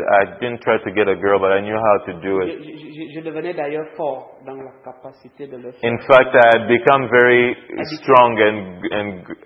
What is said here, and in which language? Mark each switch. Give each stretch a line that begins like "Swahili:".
English: I didn't try to get a girl, but I knew how to do it.
French: Je devenais d'ailleurs fort dans la capacité de le faire.
English: In fact, I had become very strong and